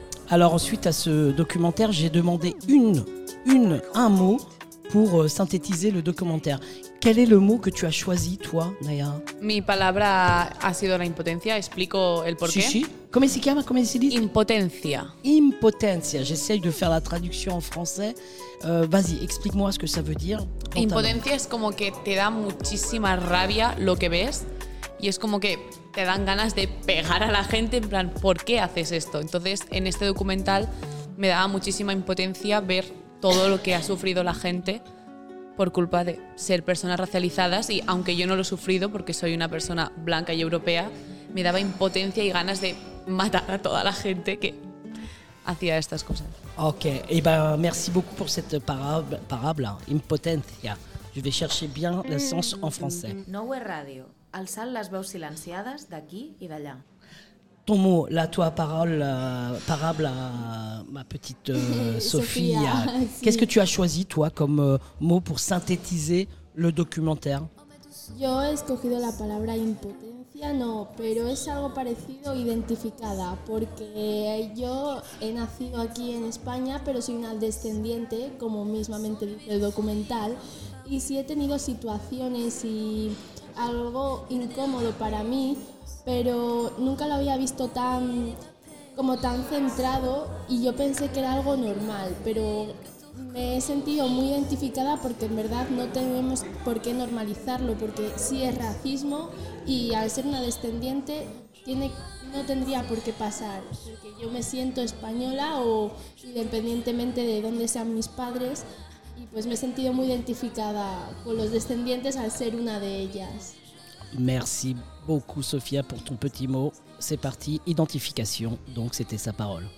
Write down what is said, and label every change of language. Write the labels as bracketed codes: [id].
[fr] Alors ensuite à ce documentaire, j'ai demandé un mot pour synthétiser le documentaire. Quel est le mot que tu as choisi, toi, Naya? [es] Mi palabra ha sido la impotencia. Explico el porqué. Sí, sí. ¿Cómo se llama? ¿Cómo se dice? Impotencia. [fr] Impotencia. J'essaye de faire la [es] traducción en francés. [fr] Vas-y, explique-moi ce que ça veut dire. [es] Impotencia es como que te da muchísima rabia lo que ves y es como que te dan ganas de pegar a la gente, en plan, ¿por qué haces esto? Entonces, en este documental me daba muchísima impotencia ver todo lo que ha sufrido la gente por culpa de ser personas racializadas. Y aunque yo no lo he sufrido, porque soy una persona blanca y europea, me daba impotencia y ganas de matar a toda la gente que hacía estas cosas. [fr] Ok, y ben, merci beaucoup por cette parable, impotencia. Je vais chercher bien le sens en français. Nowhere Radio. [ca] Alçant les veus silenciades d'aquí i d'allà. [fr] Ton mot, [it] la tua [fr] parole, parable à ma petite Sofia. Qu'est-ce que tu as choisi, toi, comme mot pour synthétiser le documentaire? [es] Yo he escogido la palabra impotencia. violencia no, pero es algo parecido, identificada, porque yo he nacido aquí en España, pero soy una descendiente, como mismamente dice el documental, y sí he tenido situaciones y algo incómodo para mí, pero nunca lo había visto tan, como tan centrado, y yo pensé que era algo normal, pero me he sentido muy identificada porque en verdad no tenemos por qué normalizarlo, porque sí es racismo y al ser una descendiente no tendría por qué pasar, porque yo me siento española o independientemente de dónde sean mis padres, y pues me he sentido muy identificada con los descendientes al ser una de ellas. [fr] Merci beaucoup Sofía pour ton petit mot. C'est parti, identification, donc c'était sa parole.